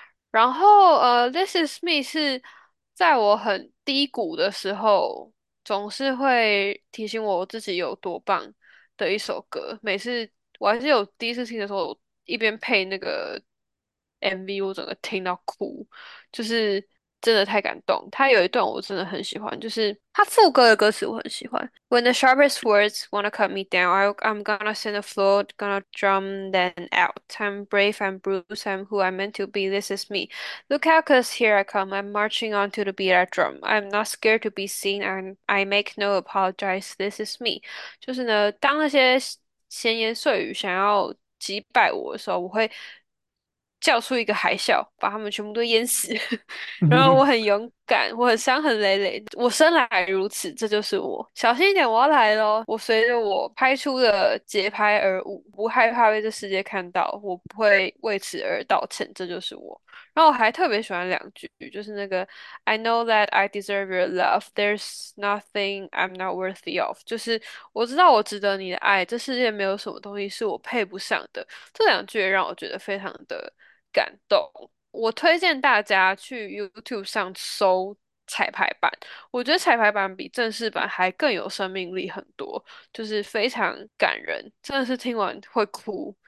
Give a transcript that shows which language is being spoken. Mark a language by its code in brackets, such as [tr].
[zh] 然后，This Is Me 是在我很低谷的时候，总是会提醒我自己有多棒的一首歌。每次我还是有第一次听的时候，一边配那个 MV，我整个听到哭，就是真的太感动。它有一段我真的很喜欢，就是它副歌的歌词我很喜欢。 [en] When the sharpest words wanna cut me down, I'm gonna send a flood, gonna drown them out. I'm brave, I'm bruised, I'm who I'm meant to be, this is me. Look out, cause here I come, I'm marching on to the beat I drum. I'm not scared to be seen, I make no apologies, this is me. [zh] 就是呢，当那些闲言碎语想要击败我的时候，我会叫出一个海啸，把他们全部都淹死。然后我很勇敢，我很伤痕累累，我生来如此，这就是我。小心一点，我要来咯，我随着我拍出的节拍而舞，不害怕被这世界看到，我不会为此而道歉，这就是我。然后我还特别喜欢两句，就是那个 [en] "I know that I deserve your love. There's nothing I'm not worthy of." [zh] 就是我知道我值得你的爱，这世界没有什么东西是我配不上的。这两句让我觉得非常的感动，我推荐大家去 YouTube 上搜彩排版，我觉得彩排版比正式版还更有生命力很多，就是非常感人，真的是听完会哭。